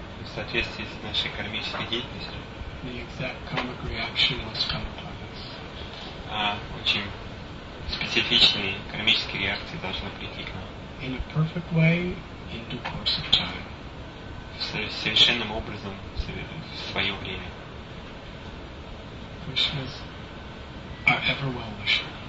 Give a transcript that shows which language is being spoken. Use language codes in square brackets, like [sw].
[ru] в соответствии с нашей кармической деятельностью, [en] the exact karmic reaction must come upon us. [ru] Очень специфичные кармические реакции должны прийти к нам. [en] In a perfect way, in due course of time. [ru] Совершенным образом в свое время. [en] Krishna's our ever well wisher.